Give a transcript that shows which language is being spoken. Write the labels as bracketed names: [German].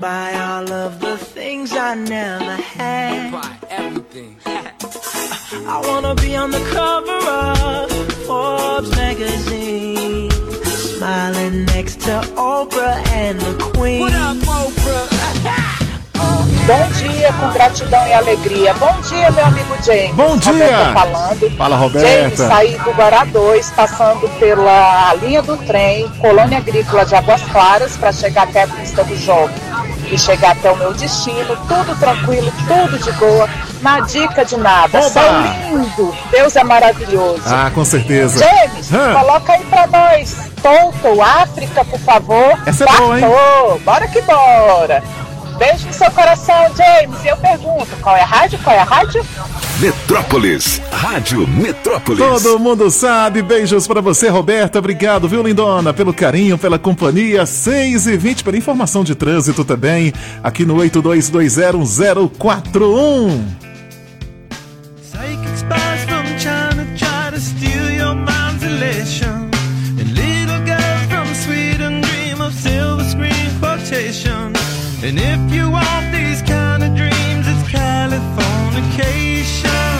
[English] Buy all of the things I never had. Buy everything. I wanna be on the cover of Forbes magazine, smiling next to Oprah and the Queen. What up, Oprah? [Portuguese] Bom dia, com gratidão e alegria. Bom dia, meu amigo James. Bom dia. Falando. Fala, Roberta. James, saí do Guará 2, passando pela linha do trem, Colônia Agrícola de Águas Claras, para chegar até a pista do jogo e chegar até o meu destino. Tudo tranquilo, tudo de boa. Na dica de nada. Opa. Só lindo. Deus é maravilhoso. Ah, com certeza. James, coloca aí para nós. Tonto, África, por favor. Essa é boa, hein? Bora que bora. Beijo no seu coração, James. E eu pergunto, qual é a rádio? Qual é a rádio? Metrópolis, Rádio Metrópolis. Todo mundo sabe, beijos pra você, Roberta. Obrigado, viu, lindona, pelo carinho, pela companhia. 6h20, pela informação de trânsito também, aqui no 8220041. [English] Psychic spies from China try to steal your mind's elation. And little girls from Sweden dream of silver screen quotation. And if you want these kind of dreams, it's Californication.